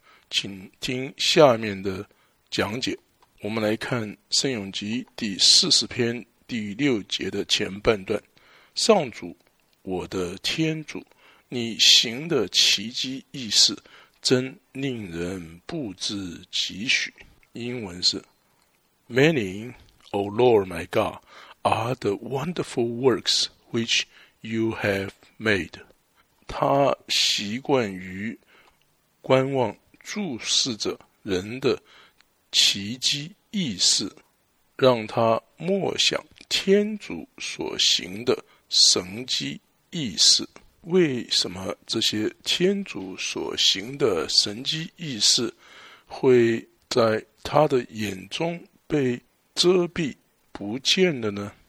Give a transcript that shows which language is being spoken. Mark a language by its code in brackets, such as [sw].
[zh] 请听下面的讲解。我们来看圣咏集第40篇第6节的前半段。上主，我的天主，你行的奇迹异事真令人不知几许。英文是 [en] Many, O Lord my God, are the wonderful works which you have made. [zh] 他习惯于观望注视着人的奇迹异事，让他默想天主所行的神迹异事。为什么这些天主所行的神迹异事会在他的眼中被遮蔽不见了呢？